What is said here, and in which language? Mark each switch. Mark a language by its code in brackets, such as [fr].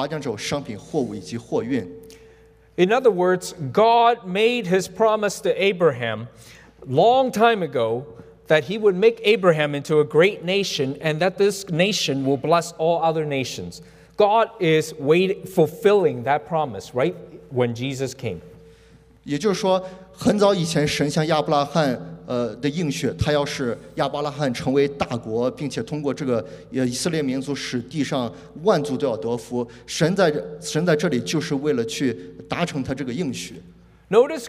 [zh] 里面就包括有水手、士兵、划桨手、商品、货物以及货运。 [en] In other words, God made his promise to Abraham long time ago that he would make Abraham into a great nation and that this nation will bless all other nations. God is fulfilling that promise right when Jesus came. [zh] 也就是说，很早以前神向亚伯拉罕 的应许，他要是亚伯拉罕成为大国，并且通过这个以色列民族使地上万族都要得福。神在这里就是为了去达成他这个应许。 [en] Notice